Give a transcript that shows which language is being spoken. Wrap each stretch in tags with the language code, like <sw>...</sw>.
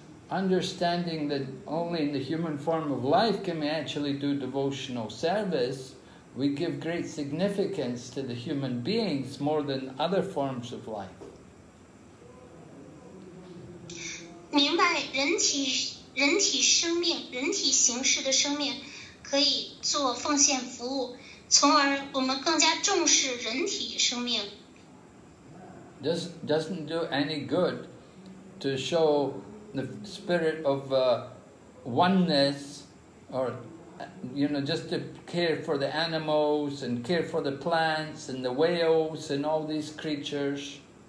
<en>Understanding that only in the human form of life can we actually do devotional service. We give great significance to the human beings more than other forms of life.</en> <zh>明白人体生命、人体形式的生命可以做奉献服务，从而我们更加重视人体生命。</zh> <en>This doesn't do any good to show the spirit of oneness or, you know, just to care for the animals and care for the plants and the whales and all these creatures.</en>